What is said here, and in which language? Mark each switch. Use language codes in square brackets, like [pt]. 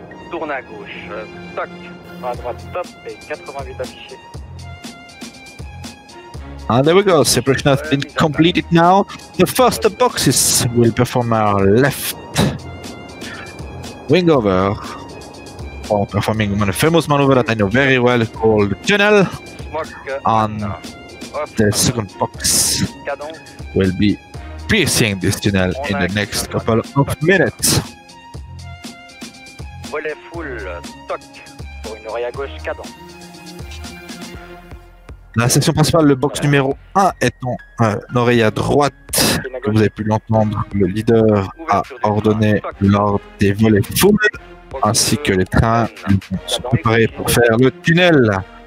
[fr] Tourne à gauche, toc, à droite, top, et 88 affichés. [en] And there we go, separation has been completed now. The first boxes will perform our left wing over for performing a famous maneuver that I know very well called tunnel. And the second box will be piercing this tunnel in the next couple of minutes. [fr] Volet full, toc, pour une oreille à gauche, cadence. La section principale, le box numéro 1 est en oreille à droite. comme vous avez pu l'entendre, le leader a ordonné lors des volets full, ainsi que les trains sont préparés pour faire le tunnel.